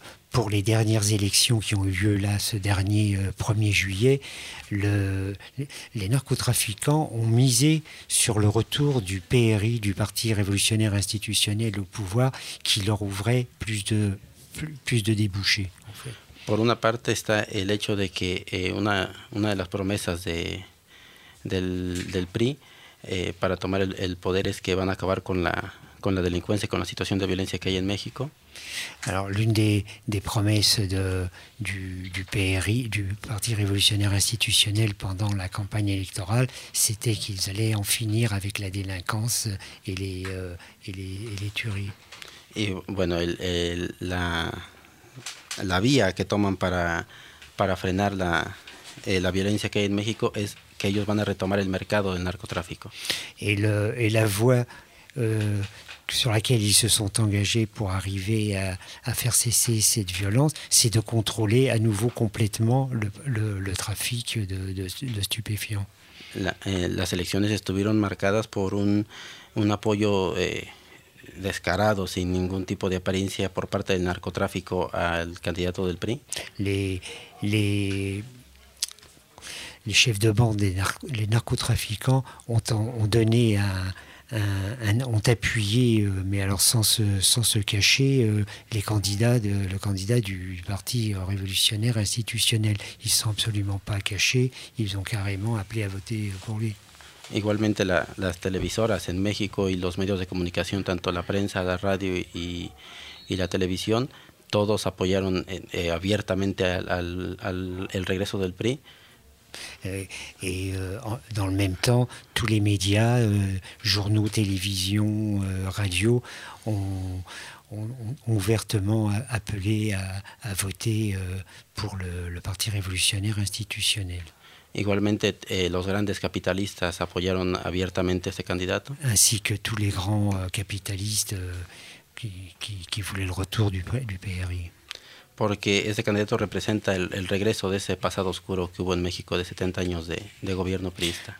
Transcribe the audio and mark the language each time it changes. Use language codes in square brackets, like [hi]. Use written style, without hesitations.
[fr] Pour les dernières élections qui ont eu lieu là ce dernier 1er juillet, les narcotrafiquants ont misé sur le retour du PRI, du Parti Révolutionnaire Institutionnel au pouvoir, qui leur ouvrait plus de débouchés. [es] Por una parte está el hecho de que una de las promesas del PRI para tomar el poder es que van a acabar con la delincuencia y con la situación de violencia que hay en México. [fr] Alors, l'une des promesses du PRI, du Parti Révolutionnaire Institutionnel, pendant la campagne électorale, c'était qu'ils allaient en finir avec la délinquance et les tueries. [es] Et bueno, la vía que toman para frenar la violencia que hay en México es que ellos van a retomar el mercado del narcotráfico. [fr] Et la voie sur laquelle ils se sont engagés pour arriver à faire cesser cette violence, c'est de contrôler à nouveau complètement le trafic de stupéfiants. [es] Las elecciones estuvieron marcadas por un apoyo descarado, sin ningún tipo de apariencia por parte del narcotráfico al candidato del PRI. [fr] Les chefs de bande, les narcotrafiquants ont donné ont appuyé, mais alors sans se cacher, le candidat du Parti Révolutionnaire Institutionnel. Ils ne sont absolument pas cachés, ils ont carrément appelé à voter pour lui. [es] Igualmente las televisoras en México y los medios de comunicación, tanto la prensa, la radio y la televisión, todos apoyaron abiertamente al regreso del PRI. [fr] Et dans le même temps, tous les médias, journaux, télévision, radio, ont ouvertement appelé à voter pour le Parti Révolutionnaire Institutionnel. [es] Igualmente, los grandes capitalistas apoyaron abiertamente este candidato. [fr] Ainsi que tous les grands capitalistes qui voulaient le retour du PRI. [es] Porque ese candidato representa el regreso de ese pasado oscuro que hubo en México de 70 años de gobierno priista.